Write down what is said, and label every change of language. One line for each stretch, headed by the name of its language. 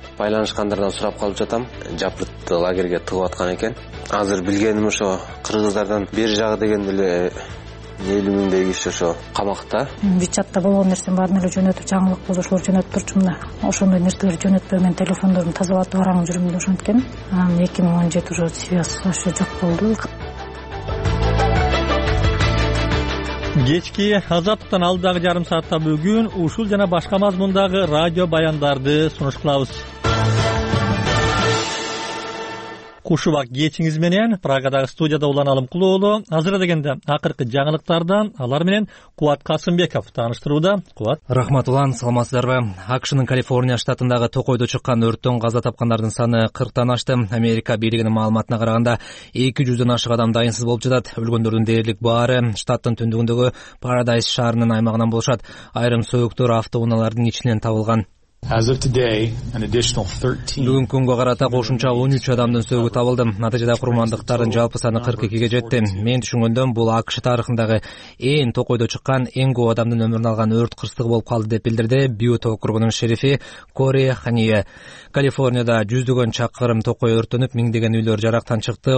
Kyrgyz: Байланышкандардан сурап калып жатам, жапырты лагерге тыгып аткан экен. Азыр билгеним ошо кыргыздардан бери жагы деген эле 50,000 киши ошо камакта. Вичатта болгон нерсенин баарын эле жөнөтүп, жаңылык болушулар жөнөттүрчү мына. Ошондой нерселерди жөнөтпөй мен телефондорумду тазалатып аралын жүрүмдү ошенткен. Анан 2017
Russian: уже связь вообще
Kyrgyz: жок болду. Кечки Азаттыктан алдыдагы жарым саатта бүгүн ушул жана башка мазмундагы радио баяндарды сунуш кылабыз. Кушубак кечиңиз менен Прагадагы студияда Улан Алымкулуулу азыра дегенде акыркы жаңылыктардан алар менен Кубат Касымбеков тааныштырууда. Кубат. Рахмат Улан, саламатсыздарбы. АКШнын Калифорния штатындагы токойдо чыккан өрттөн каза тапкандардын саны 40 ашты. Америка бийлигинин маалыматына караганда 200 ашык адам дайынсыз болуп жатат. Өлгөндөрдүн дээрлик баары штаттын түндүгүндөгү Парадайз шаарынын аймагынан болушат. Айрым сөөктөр автоунаалардын ичинен табылган.
English: As of today, an additional 13.
Kyrgyz: Бүгүн күнгө карата кошумча 13 адамдын сөөгү табылды. Натыйжада курмандыктардын жалпы саны 42 жетти. Мен түшүнгөндөн бул АКШ тарыхындагы эң токойдо чыккан эң көп адамдын өмүрүн алган өрт кырсыгы болуп калды деп билдирди Бьют округунун шерифи Кори Хания. Калифорнияда жүздөгөн чакырым токой өрттөнүп, миңдеген үйлөр жарактан чыкты.